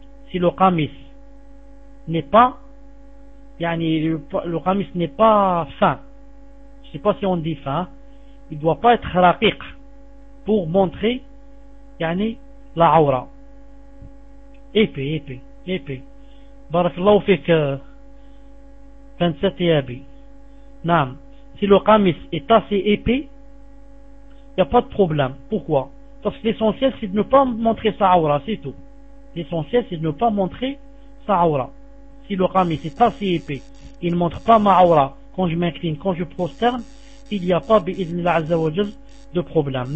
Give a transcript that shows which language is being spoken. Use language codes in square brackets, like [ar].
[fr] Si le qamis n'est pas, yani le qamis n'est pas fin. Je ne sais pas si on dit fin. Il ne doit pas être raqiq pour montrer [ar] يعني لا عورة. إيبي. بارك الله فيك فانسات يابي. نعم. [fr] Si le قميص est assez épais, y a pas de problème. Pourquoi? Parce que l'essentiel c'est de ne pas montrer sa عورة. C'est tout. L'essentiel c'est de ne pas montrer sa عورة. Si le قميص est assez épais, il ne montre pas ma عورة quand je m'incline, quand je prosterne, il y a pas [ar] بإذن الله عز وجل [fr] de problème.